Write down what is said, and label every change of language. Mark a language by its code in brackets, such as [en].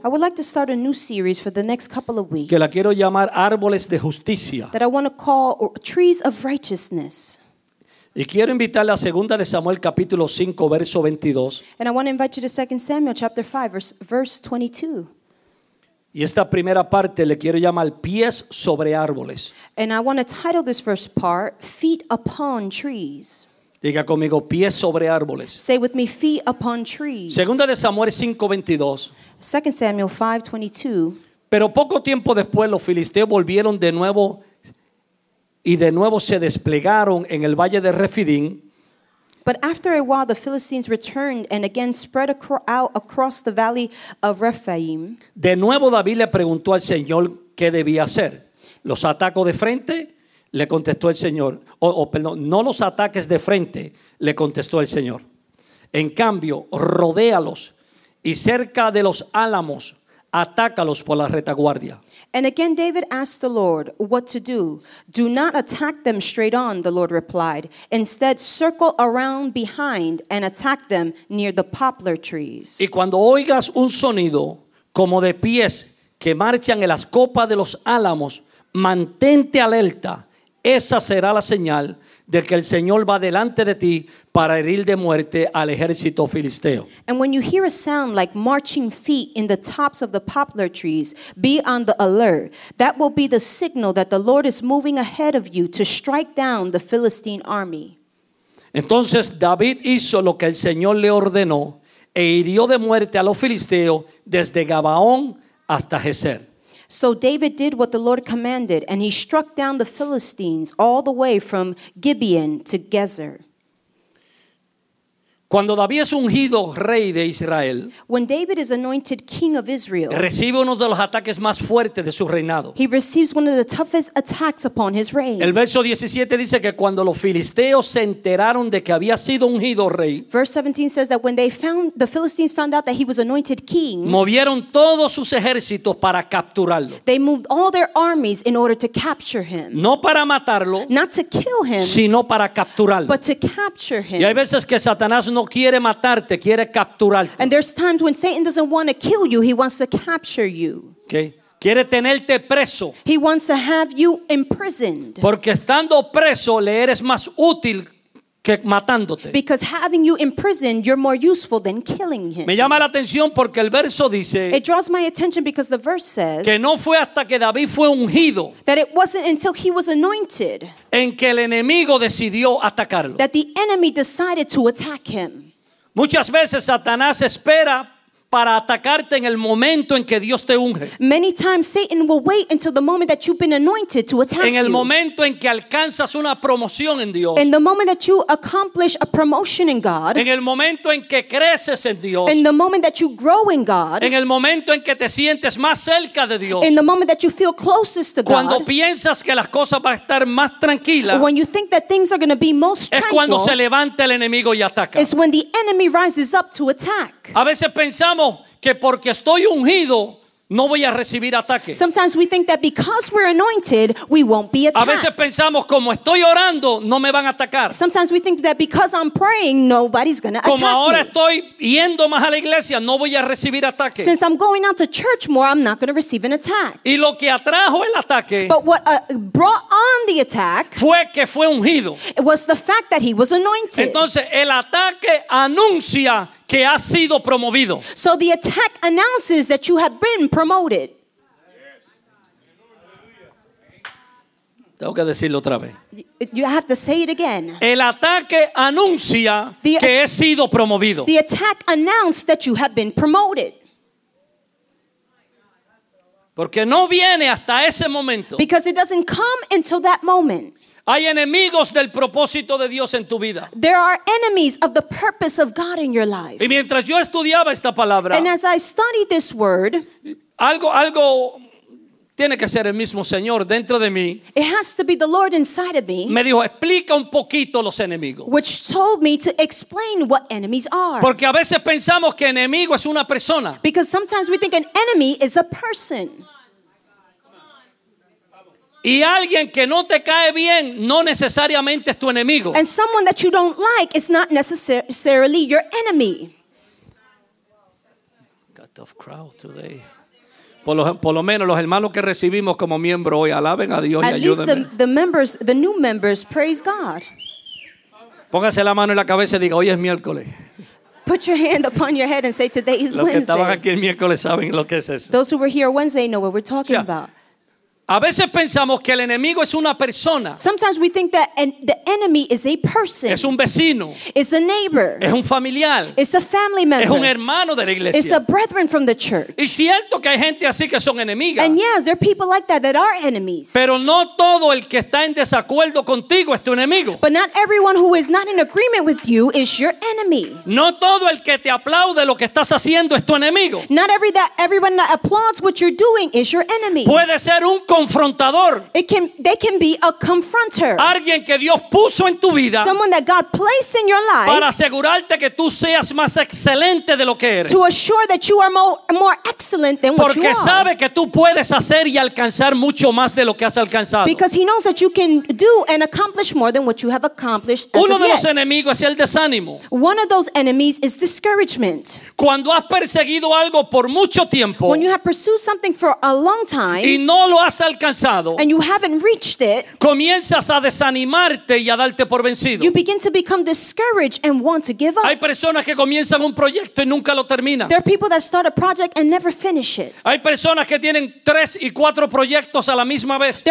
[en] I would like to start a new series for the next couple of weeks. [es] Que la quiero llamar Árboles de Justicia. [en] That I want to call Trees of Righteousness. [es] Y quiero invitarle a 2 de Samuel capítulo 5 verso 22. [en] And I want to invite you to 2 Samuel chapter 5 verse 22. [es] Y esta primera parte le quiero llamar Pies sobre Árboles. [en] And I want to title this first part, Feet Upon Trees. [es] Diga conmigo, Pies sobre Árboles. [en] Say with me, Feet Upon Trees. [es] Segunda de Samuel 5:22. [en] 2 Samuel 5:22. [es] Pero poco tiempo después los filisteos volvieron de nuevo y de nuevo se desplegaron en el valle de Refidim. [en] But after a while, the Philistines returned and again spread out across the valley of Rephaim. [es] De nuevo, David le preguntó al Señor qué debía hacer. ¿Los ataco de frente? Le contestó el Señor. No los ataques de frente, le contestó el Señor. En cambio, rodéalos y cerca de los álamos, atácalos por la retaguardia. [en] And again David asked the Lord what to do. Do not attack them straight on, the Lord replied. Instead, circle around behind and attack them near the poplar trees. [es] Y cuando oigas un sonido como de pies que marchan en las copas de los álamos, mantente alerta. Esa será la señal de que el Señor va delante de ti para herir de muerte al ejército filisteo. [en] And when you hear a sound like marching feet in the tops of the poplar trees, be on the alert. That will be the signal that the Lord is moving ahead of you to strike down the Philistine army. [es] Entonces David hizo lo que el Señor le ordenó e hirió de muerte a los filisteos desde Gabaón hasta Gezer. [en] So David did what the Lord commanded, and he struck down the Philistines all the way from Gibeon to Gezer. [es] Cuando David es ungido rey de Israel, [en] when David is anointed king of Israel, [es] recibe uno de los ataques más fuertes de su reinado. [en] He receives one of the toughest attacks upon his reign. [es] El verso 17 dice que cuando los filisteos se enteraron de que había sido ungido rey, [en] verse 17 says that when they found the Philistines found out that he was anointed king, [es] movieron todos sus ejércitos para capturarlo. [en] They moved all their armies in order to capture him. [es] No para matarlo, [en] not to kill him, [es] sino para capturarlo. [en] But to capture him. [es] Y hay veces que Satanás no quiere matarte, quiere capturarte. [en] And there's times when Satan doesn't want to kill you, he wants to capture you. [es] Okay. Quiere tenerte preso. [en] He wants to have you imprisoned. [es] Porque estando preso le eres más útil que matándote. [en] Because having you imprisoned, you're more useful than killing him. [es] Me llama la atención porque el verso dice, [en] it draws my attention because the verse says, [es] que no fue hasta que David fue ungido, [en] that it wasn't until he was anointed, [es] en que el enemigo decidió atacarlo, [en] that the enemy decided to attack him. [es] Muchas veces Satanás espera para atacarte en el momento en que Dios te unge. [en] Many times Satan will wait until the moment that you've been anointed to attack you. [es] En el momento en que alcanzas una promoción en Dios. [en] In the moment that you accomplish a promotion in God. [es] En el momento en que creces en Dios. [en] In the moment that you grow in God. [es] En el momento en que te sientes más cerca de Dios. [en] In the moment that you feel closest to God. [es] Cuando piensas que las cosas van a estar más tranquilas. [en] When you think that things are going to be most tranquil. [es] Es cuando se levanta el enemigo y ataca. [en] It's when the enemy rises up to attack. [es] A veces pensamos que porque estoy ungido no voy a recibir ataque. [en] Sometimes we think that because we're anointed we won't be attacked. [es] A veces pensamos como estoy orando no me van a atacar. [en] Sometimes we think that because I'm praying nobody's going to attack me. [es] Como ahora [en] me. [es] Estoy yendo más a la iglesia no voy a recibir ataque. [en] Since I'm going out to church more I'm not going to receive an attack. [es] Y lo que atrajo el ataque, [en] but what brought on the attack, [es] fue que fue ungido. [en] It was the fact that he was anointed. [es] Entonces el ataque anuncia que ha sido promovido. [en] So the attack announces that you have been promoted. [es] Tengo que decirlo otra vez. [en] You have to say it again. [es] El ataque anuncia que he sido promovido. [en] The attack announces that you have been promoted. [es] Porque no viene hasta ese momento. [en] Because it doesn't come until that moment. [es] Hay enemigos del propósito de Dios en tu vida. [en] There are enemies of the purpose of God in your life. [es] Y mientras yo estudiaba esta palabra, [en] and as I studied this word, [es] algo tiene que ser el mismo Señor dentro de mí. [en] It has to be the Lord inside of me. [es] Me dijo, explica un poquito los enemigos. [en] Which told me to explain what enemies are. [es] Porque a veces pensamos que enemigo es una persona. [en] Because sometimes we think an enemy is a person. [es] Y alguien que no te cae bien no necesariamente es tu enemigo. [en] And someone that you don't like is not necessarily your enemy. Got tough crowd today. [es] Por lo menos los hermanos que recibimos como miembro hoy, alaben a Dios y ayúdenme. [en] At least the members, the new members, praise God. [es] Póngase la mano en la cabeza y diga, hoy es miércoles. [en] Put your hand upon your head and say, today is Wednesday. [es] Los que estaban aquí el miércoles saben lo que es eso. [en] Those who were here Wednesday know what we're talking about. [es] A veces pensamos que el enemigo es una persona. [en] Sometimes we think that the enemy is a person. [es] Es un vecino. [en] It's a neighbor. [es] Es un familiar. [en] It's a family member. [es] Es un hermano de la iglesia. [en] It's a brethren from the church. [es] Y cierto que hay gente así que son enemigas. [en] And yes, there are people like that that are enemies. [es] Pero no todo el que está en desacuerdo contigo es tu enemigo. [en] But not everyone who is not in agreement with you is your enemy. [es] No todo el que te aplaude lo que estás haciendo es tu enemigo. [en] Not everyone that applauds what you're doing is your enemy. [es] Puede ser un confrontador. [en] They can be a confronter. [es] Alguien que Dios puso en tu vida. [en] Someone that God placed in your life. [es] Para asegurarte que tú seas más excelente de lo que eres. [en] To assure that you are more excellent than what you are. [es] Porque sabe que tú puedes hacer y alcanzar mucho más de lo que has alcanzado. [en] Because he knows that you can do and accomplish more than what you have accomplished as of yet. [es] Uno de los enemigos es el desánimo. [en] One of those enemies is discouragement. [es] Cuando has perseguido algo por mucho tiempo. [en] When you have pursued something for a long time. [es] Y no lo has alcanzado, [en] and you haven't reached it, [es] comienzas a desanimarte y a darte por vencido. [en] You begin to become discouraged and want to give up. [es] Hay personas que comienzan un proyecto y nunca lo terminan. [en] There are people that start a project and never finish it. [es] Hay personas que tienen tres y cuatro proyectos a la misma vez.